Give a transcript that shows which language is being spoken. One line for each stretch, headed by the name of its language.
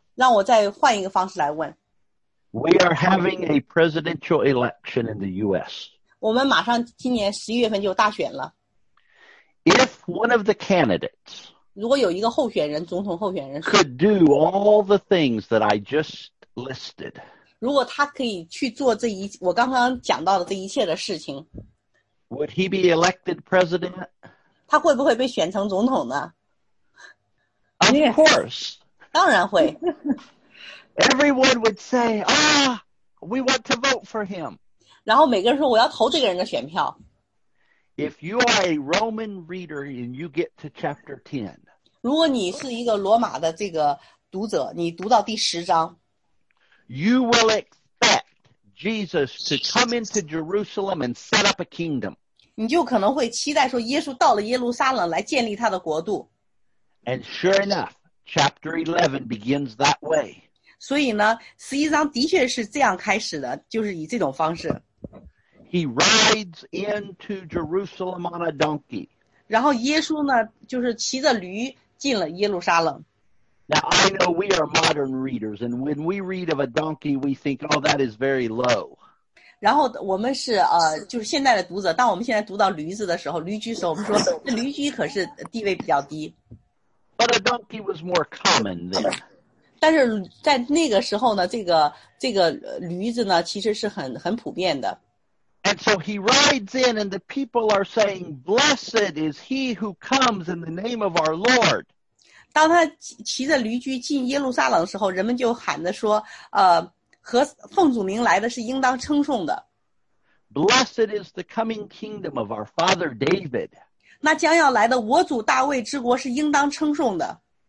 Chinese: 让我再换一个方式来问。
English: We are having a presidential election in the U.S.
Chinese: 我们马上今年十一月份就大选了。
English: If one of the candidates,
Chinese: 如果有一个候选人，总统候选人
English: could do all the things that I just listed,
Chinese: 如果他可以去做这一我刚刚讲到的这一切的事情
English: ，Would he be elected president?
Chinese: 他会不会被选成总统呢
English: ？Of course.
Chinese: 当然会。
English: Everyone would say, "Ah, we want to vote for him."
Chinese: 然后每个人说我要投这个人的选票。
English: If you are a Roman reader and you get to chapter 10,
Chinese: 如果你是一个罗马的这个读者，你读到第十章
English: ，You will expect Jesus to come into Jerusalem and set up a kingdom.
Chinese: 你就可能会期待说耶稣到了耶路撒冷来建立他的国度。
English: And sure enough, chapter 11 begins that way.
Chinese: 所以呢，十一章的确是这样开始的，就是以这种方式。
English: He rides into Jerusalem on a donkey.
Chinese: 然后耶稣呢，就是骑着驴进了耶路撒冷。
English: Now I know we are modern readers, and when we read of a donkey, we think, oh, that is very low.
Chinese: 然后我们是就是现在的读者，当我们现在读到驴子的时候，驴驹时候，我们说这驴驹可是地位比较低。
English: But a donkey was more common then.
Chinese: 但是在那个时候呢，这个驴子呢，其实是很普遍的。
English: And so he rides in, and the people are saying, "Blessed is he who comes in the name of our Lord."
Chinese: 当他骑着驴驹进耶路撒冷的时候，人们就喊着说，和奉主名来的是应当称颂的。
English: Blessed is the coming kingdom of our father David.
Chinese: 那将要来的我主大卫之国是应当称颂的。